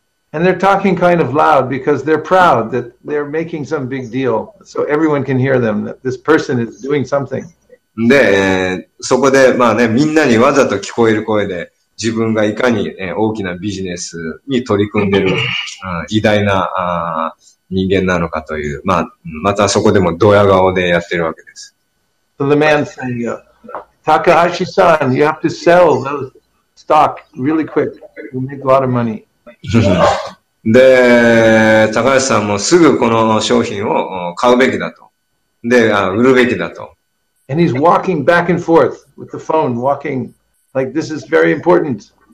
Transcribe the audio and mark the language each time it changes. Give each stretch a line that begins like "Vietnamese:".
English: And they're talking kind of loud because they're proud that they're making some big deal so everyone can hear them that this person is doing something.
Japanese: で、そこでまあね、みんなにわざと聞こえる声で自分がいかに大きなビジネスに取り組んでる偉大な人間なのかという、まあ、またそこでもドヤ顔でやってるわけです。
English: So the man saying, Takahashi-san, you have to sell those stock really quick. You make a lot of money.
Japanese: で、高橋さんもすぐこの商品を買うべきだと。で、売るべきだと。
English: And he's walking back and forth with the phone, walking like this is very important.